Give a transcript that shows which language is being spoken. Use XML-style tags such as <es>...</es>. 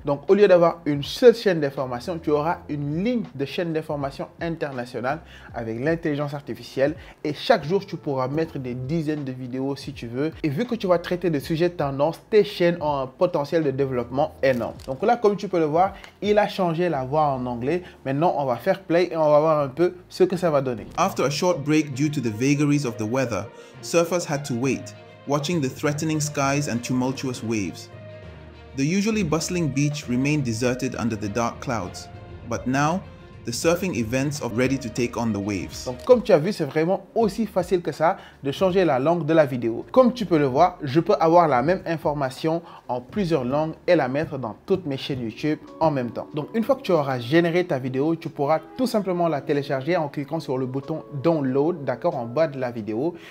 <fr>Donc, au lieu d'avoir une seule chaîne d'information, tu auras une ligne de chaîne d'information internationale avec l'intelligence artificielle et chaque jour, tu pourras mettre des dizaines de vidéos si tu veux. Et vu que tu vas traiter de sujets de tendance, tes chaînes ont un potentiel de développement énorme. Donc là, comme tu peux le voir, il a changé la voix en anglais. Maintenant, on va faire play et on va voir un peu ce que ça va donner.</fr> <en>After a short break due to the vagaries of the weather, surfers had to wait, watching the threatening skies and tumultuous waves. The usually bustling beach remained deserted under the dark clouds, but now, the surfing events are ready to take on the waves.</en> <fr>Donc, comme tu as vu, c'est vraiment aussi facile que ça de changer la langue de la vidéo. Comme tu peux le voir, je peux avoir la même information en plusieurs langues et la mettre dans toutes mes chaînes YouTube en même temps. Donc, une fois que tu auras généré ta vidéo, tu pourras tout simplement la télécharger en cliquant sur le bouton Download, d'accord, en bas de la vidéo.</fr>